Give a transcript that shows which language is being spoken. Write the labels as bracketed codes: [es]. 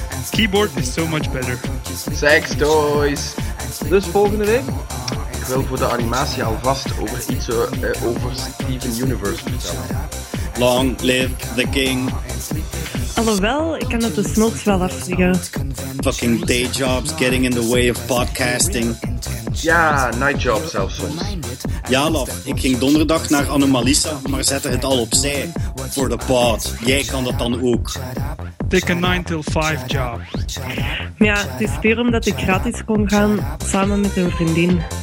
[en] Keyboard is so much better. Sex toys. [nl] Dus volgende week? Ik wil voor de animatie alvast over iets over Steven Universe vertellen. [en] Long live the king. [nl] Alhoewel, ik kan het dus nog wel afzeggen. [en] Fucking day jobs getting in the way of podcasting. [nl] Ja, night jobs zelfs soms. Ja, love, ik ging donderdag naar Anomalisa, maar zette het al opzij. Voor de pod, jij kan dat dan ook. [en] Take a 9-to-5 job. [nl] Ja, het is weer omdat ik gratis kon gaan samen met een vriendin.